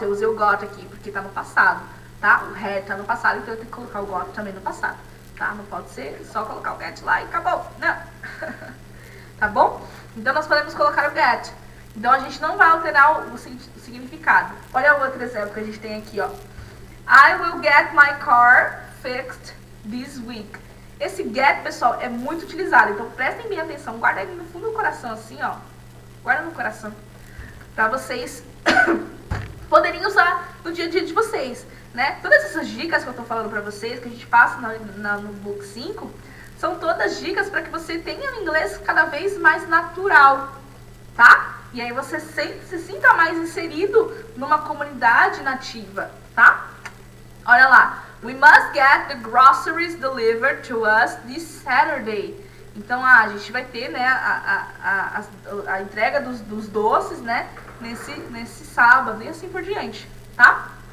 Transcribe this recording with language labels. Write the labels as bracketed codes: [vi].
[pt] Eu usei o got aqui, porque tá no passado, tá? O had tá no passado, então eu tenho que colocar o got também no passado, tá? Não pode ser só colocar o get lá e acabou. Não. Tá bom? Então, nós podemos colocar o get. Então, a gente não vai alterar o significado. Olha o outro exemplo que a gente tem aqui, ó. [en] I will get my car fixed this week. [pt] Esse get, pessoal, é muito utilizado. Então, prestem bem atenção. Guarda ele no fundo do coração, assim, ó. Guarda no coração. para vocês poderem usar no dia a dia de vocês, né? Todas essas dicas que eu tô falando para vocês, que a gente passa no book 5, são todas dicas para que você tenha o inglês cada vez mais natural, tá? E aí você se sinta mais inserido numa comunidade nativa, tá? Olha lá. [en] We must get the groceries delivered to us this Saturday. [pt] Então, a gente vai ter, né, a entrega dos doces, né, nesse sábado e assim por diante, tá?